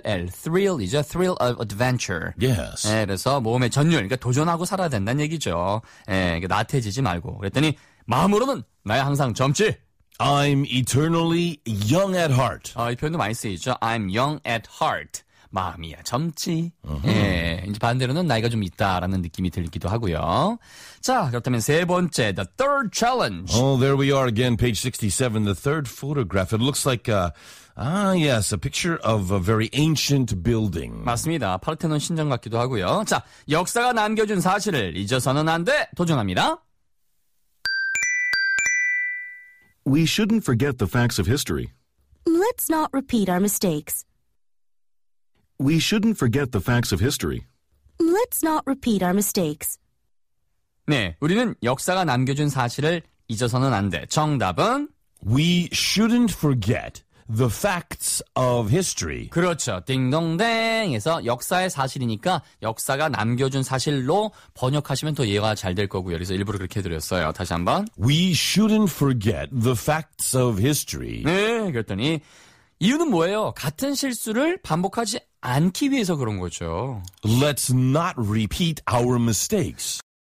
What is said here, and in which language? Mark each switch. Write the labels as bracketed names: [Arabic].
[English] Thrill is a thrill of adventure. Yes. [Korean] 네, 그래서 모험의 전율, 그러니까 도전하고 살아야 된다는 얘기죠. 네, 그러니까 나태해지지 말고. 그랬더니 마음으로는 나의 항상 젊지. [English] I'm eternally young at heart. [Korean] 아, 이 표현도 많이 쓰이죠. [English] I'm young at heart. [Korean] 마음이야 젊지. Uh-huh. 예, 이제 반대로는 나이가 좀 있다라는 느낌이 들기도 하고요. 자, 그렇다면 세 번째, [English] the third challenge. Oh, there we are again, page 67, the third photograph. It looks like yes, a picture of a very ancient building. [Korean] 맞습니다. 파르테논 신전 같기도 하고요. 자, 역사가 남겨준 사실을 잊어서는 안 돼. 도전합니다. [English] We shouldn't forget the facts of history. Let's not repeat our mistakes. We shouldn't forget the facts of history. Let's not repeat our mistakes. [Korean] 네, 우리는 역사가 남겨준 사실을 잊어서는 안 돼. 정답은? [English] We shouldn't forget the facts of history. [Korean] 그렇죠. 딩동댕에서 역사의 사실이니까 역사가 남겨준 사실로 번역하시면 더 이해가 잘 될 거고요. 그래서 일부러 그렇게 해드렸어요. 다시 한번. [English] We shouldn't forget the facts of history. [Korean] 네, 그랬더니 이유는 뭐예요? 같은 실수를 반복하지 않기 위해서 그런 거죠. [English] Let's not repeat our mistakes.